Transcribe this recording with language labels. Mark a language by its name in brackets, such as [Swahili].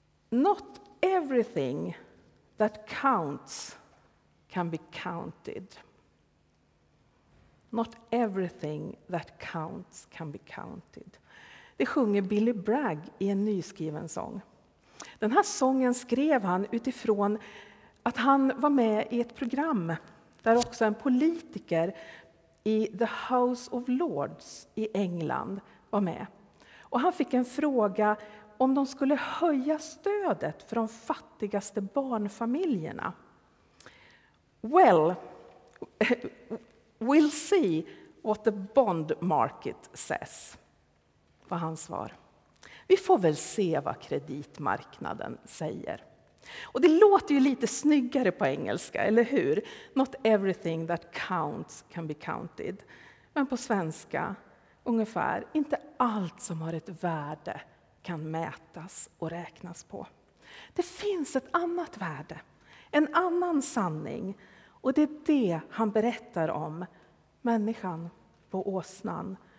[English] Not everything that counts can be counted. Not everything that counts can be counted. [Swedish] Det sjunger Billy Bragg i en nyskriven sång. Den här sången skrev han utifrån att han var med i ett program där också en politiker i The House of Lords i England var med. Och han fick en fråga om de skulle höja stödet för de fattigaste barnfamiljerna. [English] Well, we'll see what the bond market says, [Swedish] var hans svar. Vi får väl se vad kreditmarknaden säger. Och det låter ju lite snyggare på engelska, eller hur? [English] Not everything that counts can be counted. [Swedish] Men på svenska, ungefär, inte allt som har ett värde kan mätas och räknas på. Det finns ett annat värde, en annan sanning. Och det är det han berättar om, människan på åsnan.